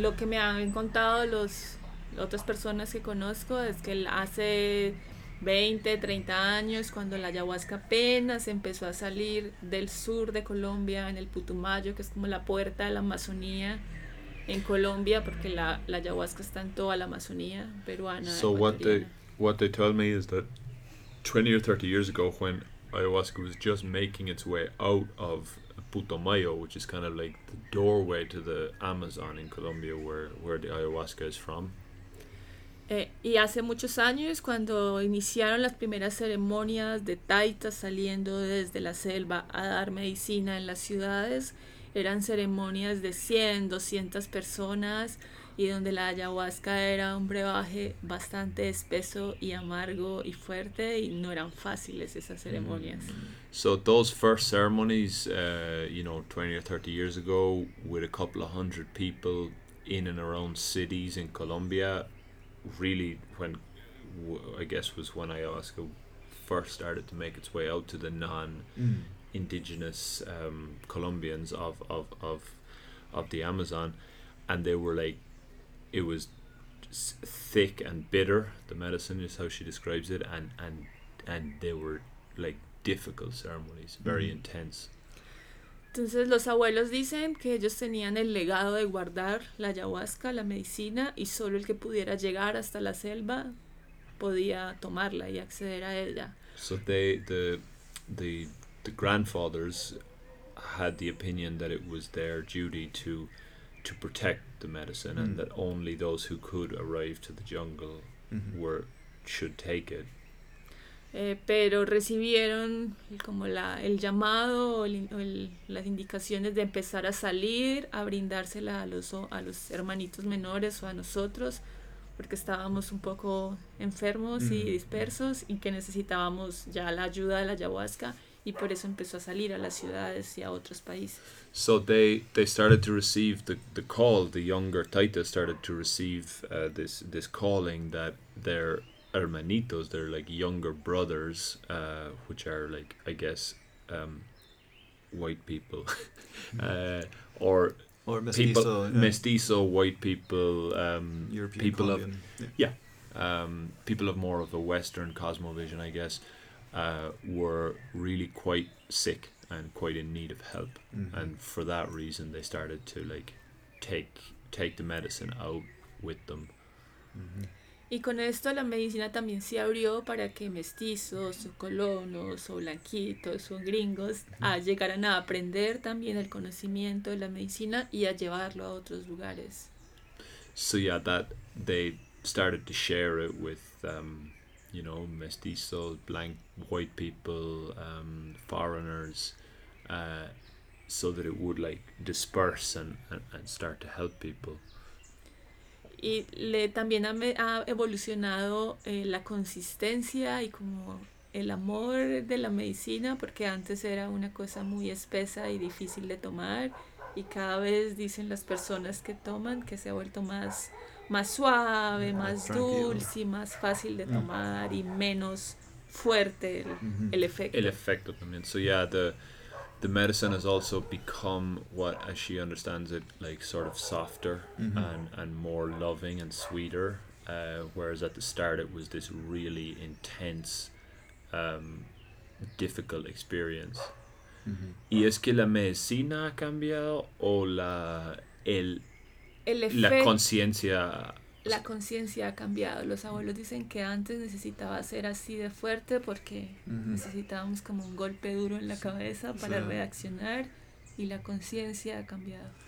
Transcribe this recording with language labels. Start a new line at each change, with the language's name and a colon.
Spanish: Lo que me han contado las otras personas que conozco es que hace 20, 30 años, cuando la ayahuasca apenas empezó a salir del sur de Colombia, en el Putumayo, que es como la puerta de la Amazonía en Colombia, porque la ayahuasca está en toda la Amazonía peruana.
English: So what they tell me is that 20 or 30 years ago, when ayahuasca was just making its way out of Putumayo, which is kind of like the doorway to the Amazon in Colombia, where the ayahuasca is from.
Spanish: Y hace muchos años, cuando iniciaron las primeras ceremonias de taitas saliendo desde la selva a dar medicina en las ciudades, eran ceremonias de 100, 200 personas, y donde la ayahuasca era un brebaje bastante espeso y amargo y fuerte, y no eran fáciles esas ceremonias.
English: So those first ceremonies, 20 or 30 years ago, with a couple of hundred people in and around cities in Colombia, really when ayahuasca first started to make its way out to the non-indigenous Colombians of the Amazon, and they were like, it was thick and bitter, the medicine is how she describes it, and they were like difficult ceremonies, very mm-hmm. intense.
Spanish: Entonces los abuelos dicen que ellos tenían el legado de guardar la ayahuasca, la medicina, y solo el que pudiera llegar hasta la selva podía tomarla y acceder a ella.
English: So the grandfathers had the opinion that it was their duty to protect the medicine, and that only those who could arrive to the jungle should take it.
Spanish: Pero recibieron como el llamado las indicaciones de empezar a salir, a brindársela a los hermanitos menores o a nosotros, porque estábamos un poco enfermos y dispersos y que necesitábamos ya la ayuda de la ayahuasca, y por eso empezó a salir a las ciudades y a otros países.
English: So they started to receive the call, the younger taitas started to receive this calling that their hermanitos, their like younger brothers, which are like, I guess, white people, or mestizo, people, yeah. Mestizo white people, European people Colombian. People of more of a Western cosmovision, I guess, were really quite sick and quite in need of help, and for that reason they started to like take the medicine out with them.
Spanish: Y con esto la medicina también se abrió para que mestizos o colonos o blanquitos o gringos llegaran a aprender también el conocimiento de la medicina y a llevarlo a otros lugares.
English: So yeah, that they started to share it with mestizo, blank, white people, foreigners, so that it would like disperse and start to help people.
Spanish: Y también ha evolucionado la consistencia y como el amor de la medicina, porque antes era una cosa muy espesa y difícil de tomar, y cada vez dicen las personas que toman que se ha vuelto más suave, más dulce y más fácil de tomar y menos fuerte el efecto. El efecto también.
English: So yeah, the medicine has also become what, as she understands it, like sort of softer and more loving and sweeter, whereas at the start it was this really intense, difficult experience. Mm-hmm.
Spanish: ¿Y es que la medicina ha cambiado o la el efecto, la conciencia? La conciencia ha cambiado. Los abuelos dicen que antes necesitaba ser así de fuerte porque necesitábamos como un golpe duro en la cabeza para reaccionar, y la conciencia ha cambiado.